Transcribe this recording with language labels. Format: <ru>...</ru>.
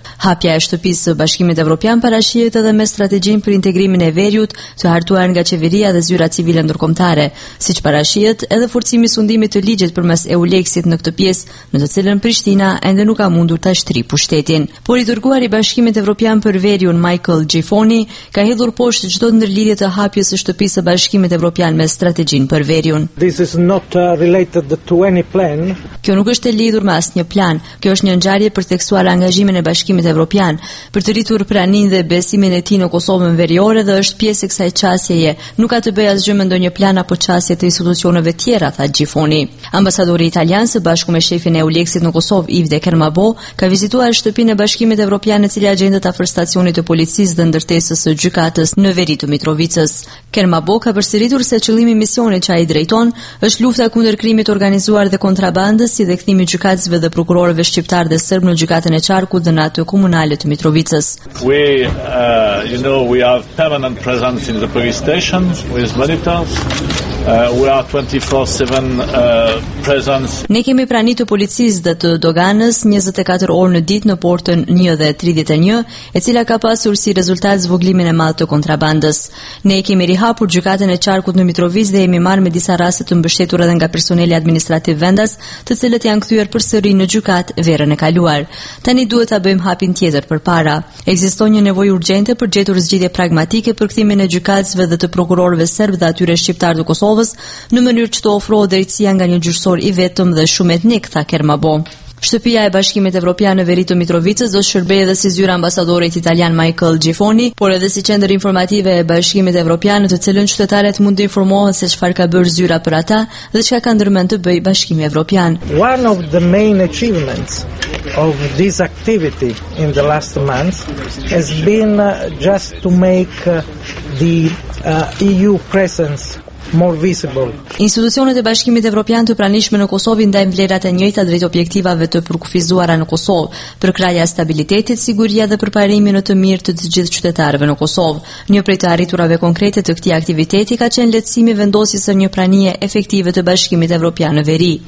<sq>Hapja e shtëpisë së Bashkimit Evropian parashihet edhe me strategjinë për integrimin e veriut të hartuar nga qeveria dhe zyra civile ndërkombëtare, siç parashihet edhe forcimi sundimit të ligjit përmes EU-Lexit në këtë pjesë, në të cilën Prishtina ende nuk ka mundur ta shtrijë pushtetin. Por i dërguar i Bashkimit Evropian për veriun Michael Gjifoni ka hedhur poshtë çdo ndërlidhje të hapjes së shtëpisë së Bashkimit Evropian me strategjinë për veriun.</sq> <en>This is not related to any plan.</en> <sq>Kjo nuk është e lidhur me asnjë plan. Kjo është një ngjarje për theksuar angazhimin e Bashkimit Evropian për të rritur praninë dhe besimin e tij në Kosovën veriore dhe është pjesë e kësaj çësjeje. Nuk ka të bëjë asgjë me ndonjë plan apo çësje të institucioneve tjera, tha Gjifoni. Ambasadori italian së bashku me shefin e EU-Lexit në Kosovë, Yves de Kermabo, ka vizituar shtëpinë e Bashkimit Evropian në cilë agjendat afër stacionit të policisë dhe ndërtesës së gjykatës në veri të Mitrovicës. Kermabo ka përsëritur se qëllimi i misionit që ai drejton është lufta kundër krimit të organizuar dhe kontrabandës, si dhe kthimi i gjykatësve dhe prokurorëve shqiptar dhe serb në gjykatën e Qarkut dhe në ato komunale të Mitrovicës.</sq> <en>We have permanent presence in the police station with monitors. We are 24/7 presence.</en> <sq>Ne kemi pranitë policisë dhe të doganës 24 orë në ditë në portën 1 dhe 31, e cila ka pasur si rezultat zvoglimin e madh të kontrabandës. Ne kemi rihapur gjykatën e Qarkut në Mitrovicë dhe jemi marrë me disa raste të mbështetur edhe nga personeli administrativ vendas, të cilët janë kthyer përsëri në gjykatë verën e kaluar. Tani duhet ta bëjmë hapin tjetër përpara. Ekziston një nevojë urgjente për gjetur zgjidhje pragmatike për kthimin e gjykatësve dhe të prokurorëve serb dhe atyre shqiptar të Kosovës, në mënyrë që të ofrohet drejtësia nga një gjyqësor i vetëm dhe shumë etnik, tha Kermabo. Shtëpia e Bashkimit Evropian në veri të Mitrovicës do shërbejë edhe si zyra ambasadorit italian Michael Gjifoni, por edhe si qendër informative e Bashkimit Evropian, në të cilën qytetarët mund të informohen se çfarë ka bërë zyra për ata dhe çka ka ndërmend të bëjë Bashkimi Evropian.</sq> <en>One of the main achievements of this activity in the last months has been just to make the EU presence more visible.</en> <sq>Institucionet e Bashkimit Evropian të pranishme në Kosovë ndajnë vlerat e njëjta drejt objektivave të përkufizuara në Kosovë, për krahja stabilitetit, siguria dhe përparimin e të mirë të të gjithë qytetarëve në Kosovë. Një prej të arriturave konkrete të këtij aktiviteti ka qenë lehtësimi vendosjes së një pranie efektive të Bashkimit Evropian në veri.</sq>